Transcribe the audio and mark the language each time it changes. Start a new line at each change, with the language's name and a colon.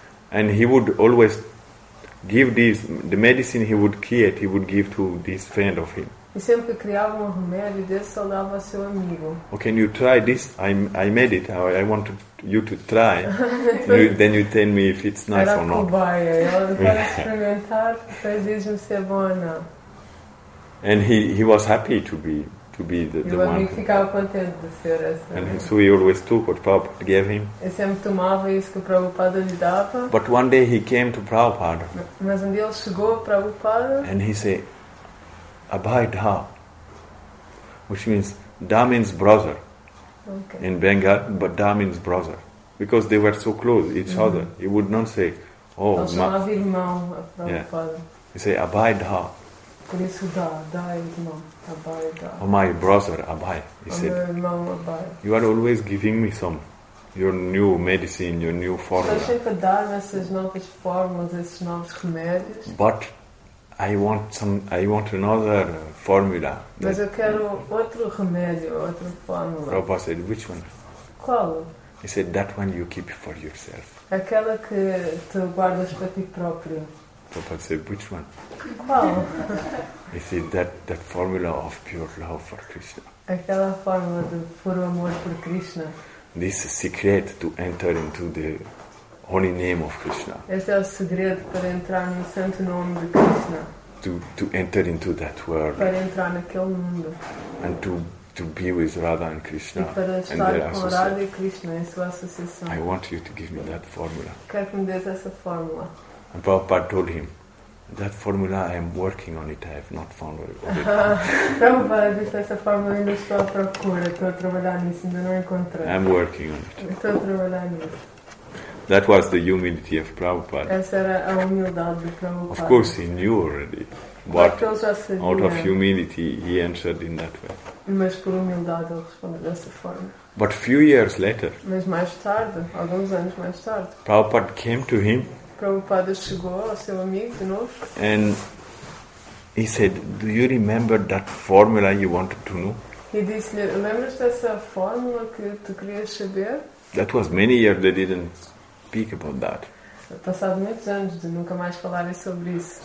English: And he would always give this, the medicine he would create, he would give to this friend of him.
Portuguese: E sempre que criava um remédio desse, ele dava ao seu amigo.
English: Oh, can you try this? I made it. I want you to try. then you tell me if it's nice
Portuguese: era
English: or not.
Portuguese: Era cobaia. Ele vai experimentar, depois diz-me se é bom ou não.
English: And he was happy to be the one.
Portuguese: E o amigo ficava contente de ser esse.
English: And so he always took what Prabhupada gave him.
Portuguese: Ele sempre tomava isso que o Prabhupada lhe dava.
English: But one day he came to Prabhupada.
Portuguese: Mas um dia ele chegou a Prabhupada.
English: And he said, Abhai Dha. Which means, Dha means brother. Okay. In Bengal, but Dha means brother. Because they were so close, each mm-hmm. other. He would not say, oh.
Portuguese: Ele chamava irmão a Prabhupada.
English: Yeah. He said, Abhai Dha.
Portuguese: Por isso o Da é irmão. Abai, Da.
English: Oh, my brother, Abai. He said,
Portuguese: meu irmão, Abai.
English: You are always giving me some. Your new medicine, your new formula.
Portuguese: Estás sempre a dar-me essas novas formas, esses novos remédios.
English: But I want another formula.
Portuguese: Mas eu quero outro remédio, outra fórmula.
English: Prabhupada said, which one?
Portuguese: Qual?
English: He said, that one you keep for yourself.
Portuguese: Aquela que tu guardas para ti próprio.
English: Prabhupada said, which one?
Portuguese: Qual?
English: He said, that formula of pure love for Krishna.
Portuguese: Aquela fórmula de puro amor por Krishna.
English: This secret to enter into the holy name of Krishna.
Portuguese: Este é o segredo para entrar no santo nome de Krishna.
English: To enter into that world.
Portuguese: Para entrar naquele mundo.
English: And to be with Radha and Krishna.
Portuguese: E para estar
English: and their com associate.
Portuguese: Radha e Krishna em sua associação.
English: I want you to give me that formula.
Portuguese: Quero que me dês essa fórmula.
English: And Prabhupada told him, that formula I am working on it, I have not found it.
Portuguese: Prabhupada disse, essa fórmula ainda estou à procura, estou a trabalhar nisso, ainda não encontrei.
English: I'm working on it.
Portuguese: Estou a trabalhar nisso.
English: That was the humility of Prabhupada.
Portuguese: Essa era a humildade de Prabhupada.
English: Of course he knew already. But out of humility he answered in that way.
Portuguese: Mas por humildade ele respondeu dessa forma.
English: But few years later.
Portuguese: Mas mais tarde, alguns anos mais tarde.
English: Prabhupada came to him.
Portuguese: Prabhupada chegou ao seu amigo de novo.
English: And he said, do you remember that formula you wanted to know?
Portuguese: E disse-lhe, lembras dessa fórmula que tu querias saber?
English: That was many years they didn't speak about that.
Portuguese: Passado muitos anos de nunca mais falarem sobre isso.